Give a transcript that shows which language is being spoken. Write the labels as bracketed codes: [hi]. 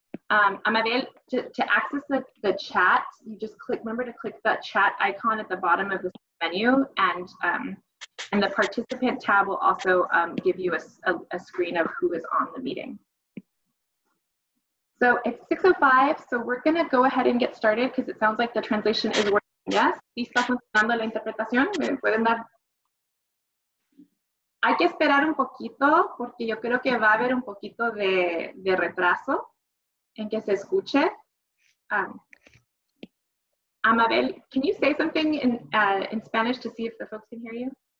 [en] Anabel, to access the chat, you just click, remember to click that chat icon at the bottom of the menu, and the participant tab will also give you a screen of who is on the meeting. So it's 6:05, so we're gonna go ahead and get started because it sounds like the translation is working. [es] Yes? ¿Está funcionando la interpretación? ¿Me pueden dar? Hay que esperar un poquito porque yo creo que va a haber un poquito de retraso en que se escuche. [en] Anabel, can you say something in Spanish to see if the folks can hear you?